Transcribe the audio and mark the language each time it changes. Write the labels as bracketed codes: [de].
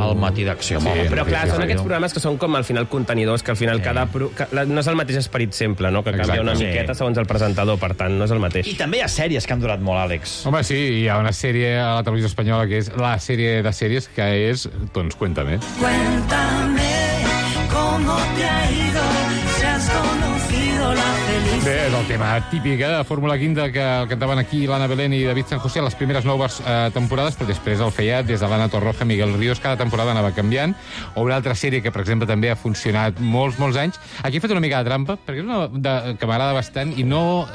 [ca] El Matí d'Acció. Sí, però clar, són aquests programes que són com al final contenidors, que al final cada... no és el mateix esperit sempre, no? Que canvia una miqueta segons el presentador, per tant, no és el mateix. I també hi ha sèries que han durat molt, Àlex. Home, sí, hi ha una sèrie a la televisió espanyola que és la sèrie de sèries, que és doncs Cuéntame. [es] Cuéntame cómo te ha ido, si has conocido la felicidad. [ca] Bé, és el tema típic de Fórmula Quinta que cantaven aquí l'Anna Belén i David San José les primeres noves temporades, però després el feia des de l'Anna Torroja, Miguel Ríos, cada temporada anava canviant. O una altra sèrie que, per exemple, també ha funcionat molts, molts anys. Aquí he fet una mica de trampa, perquè és una que m'agrada bastant, i no...